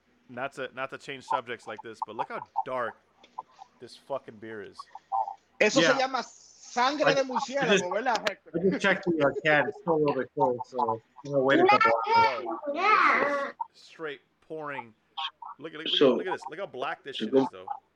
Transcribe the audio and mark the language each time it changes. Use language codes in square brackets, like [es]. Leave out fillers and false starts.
[en] Not to change subjects like this, but look how dark this fucking beer is. [es] Eso se llama sangre de murciélago, ¿verdad, [en] Hector? I just checked the can. It's still a little bit cold, so I'm going to wait a couple hours. Straight pouring. Look at this. Look how black this shit is, though.